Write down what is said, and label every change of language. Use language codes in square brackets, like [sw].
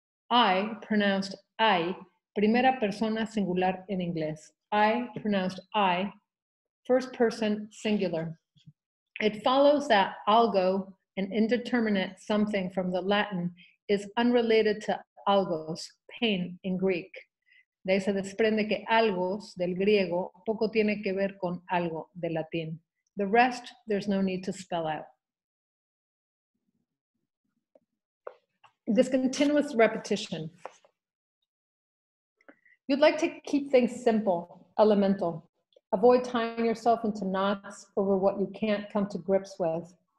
[en] I, pronounced I, [es] primera persona singular en inglés. [en] I, pronounced I, first person singular. It follows that algo, an indeterminate something from the Latin, is unrelated to algos, pain in Greek. [es] De ahí se desprende que algos, del griego, poco tiene que ver con algo, del latín. [en] The rest, there's no need to spell out. Discontinuous repetition. You'd like to keep things simple, elemental. Avoid tying yourself into knots over what you can't come to grips with.